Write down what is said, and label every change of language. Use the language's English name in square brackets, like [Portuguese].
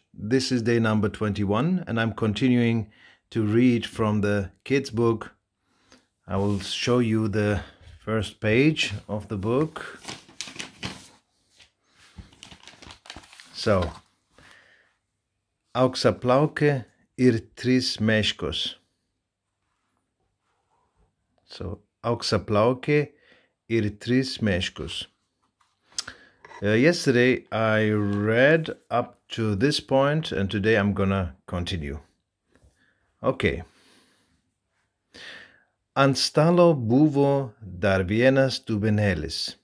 [English] This is day number 21 and I'm continuing to read from the kids' book. I will show you the first page of the book. [Lithuanian] So, auksaplauke ir tris meškos. So, auksaplauke ir tris meškos. [English] Yesterday I read up to this point and today I'm gonna continue. Okay. [Lithuanian] Ant stalo buvo dar vienas dubenėlis.